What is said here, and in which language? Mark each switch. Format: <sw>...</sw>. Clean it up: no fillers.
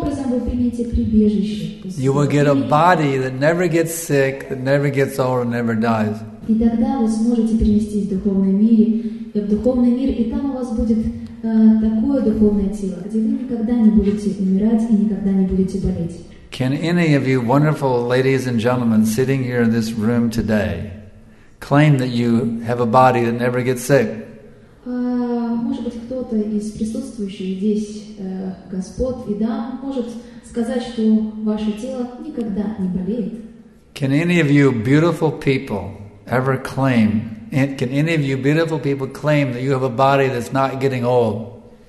<en>You will get a body that never gets sick, that never gets old and never dies.</en> <ru>И тогда вы сможете перенестись в духовный мир, в духовный мир, и там у вас будет такое духовное тело, где вы никогда не будете умирать и никогда не будете болеть.</ru> <en>Can any of you wonderful ladies and gentlemen sitting here in this room today claim that you have a body that never gets sick?</en> <ru>Может быть, кто-то из присутствующих здесь господ и дам может сказать, что ваше тело никогда не болеет?</ru> <en>Can any of you beautiful people ever claim, and can any of you beautiful people claim that you have a body that's not getting old?</en>